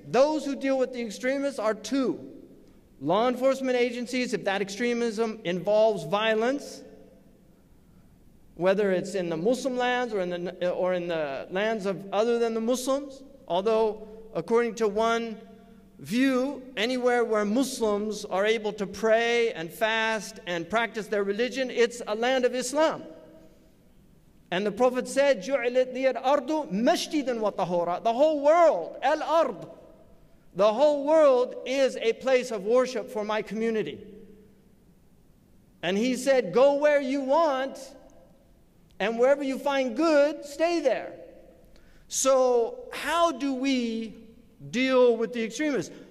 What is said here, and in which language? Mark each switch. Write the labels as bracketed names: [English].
[English] Those who deal with the extremists are two: law enforcement agencies, if that extremism involves violence, whether it's in the Muslim lands or in the lands of other than the Muslims, although according to one view, anywhere where Muslims are able to pray and fast and practice their religion, it's a land of Islam. And the Prophet said, [Arabic] جُعِلَتْ لِيَ الْأَرْضُ مَشْتِدًا وَطَهُورًا. [English] The whole world, الأرض, the whole world is a place of worship for my community. And he said, go where you want, and wherever you find good, stay there. So how do we deal with the extremists?